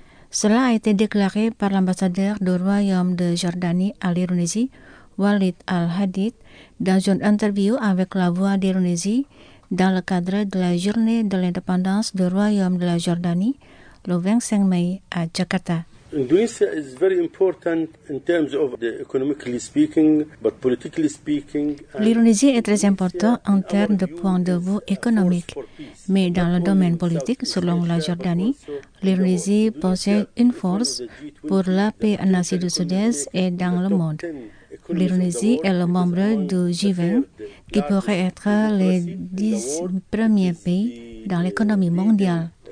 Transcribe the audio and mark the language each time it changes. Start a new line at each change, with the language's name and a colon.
French: Cela a été déclaré par l'ambassadeur du Royaume de Jordanie à l'Indonésie, Walid Al-Hadid, dans une interview avec La Voix d'Indonésie dans le cadre de la Journée de l'indépendance du Royaume de la Jordanie, le 25 mai à Jakarta.
English: Indonesia is very important in terms of the economically speaking, but politically speaking.
French: L'Indonésie est très important en termes de point de vue économique, mais dans le domaine politique, selon la Jordanie, l'Indonésie possède une force pour la paix en Asie du Sud-Est et dans le monde. L'Indonésie est le membre du G20, qui pourrait être les 10 premiers pays dans l'économie mondiale.